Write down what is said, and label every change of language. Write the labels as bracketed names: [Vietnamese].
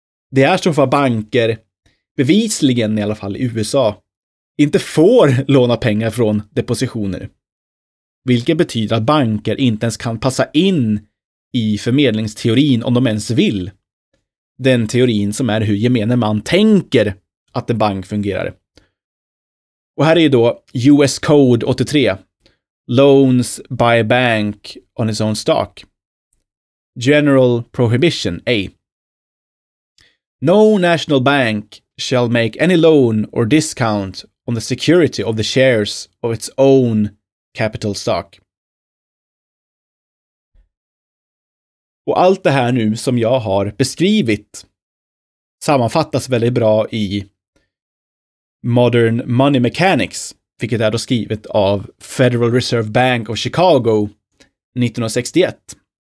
[Swedish] Det är så för banker, bevisligen i alla fall i USA, inte får låna pengar från depositioner. Vilket betyder att banker inte ens kan passa in i förmedlingsteorin om de ens vill. Den teorin som är hur gemene man tänker att en bank fungerar. Och här är ju då US Code 83. [English] Loans by a bank on its own stock. General Prohibition A. No national bank shall make any loan or discount on the security of the shares of its own capital stock. [Swedish] Och allt det här nu som jag har beskrivit sammanfattas väldigt bra i Modern Money Mechanics, vilket är då skrivet av Federal Reserve Bank of Chicago 1961.